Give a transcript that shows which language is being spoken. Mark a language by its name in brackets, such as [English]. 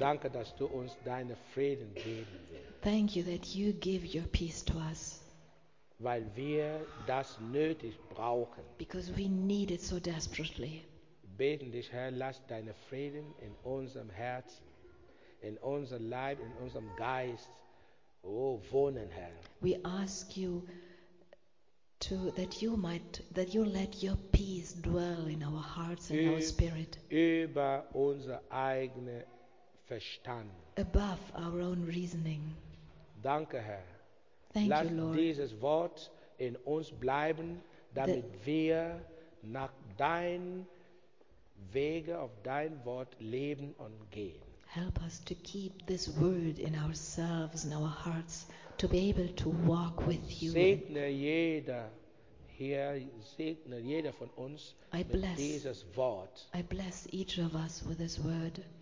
[German] Danke, dass du uns deine Frieden geben willst. [English] Thank you that you give your peace to us. [German] Weil wir das nötig brauchen. [English] Because we need it so desperately. [German] Beten dich, Herr, lass deine Frieden in unserem Herzen, in unserem Leib, in unserem Geist, wohnen, Herr. [English] We ask you to, that you let your peace dwell in our hearts and our spirit. [German] Über unser eigenes Verstand. [English] Above our own reasoning. [German] Danke, Herr. [English] Thank [German] lass [English] you, Lord. [German] Dieses Wort in uns bleiben, damit the, wir nach dein Wege auf dein Wort leben und gehen. [English] Help us to keep this word in ourselves and our hearts, to be able to walk with you. [German] Segne jeder hier, segne jeder von uns mit dieses Wort. [English] I bless each of us with this word.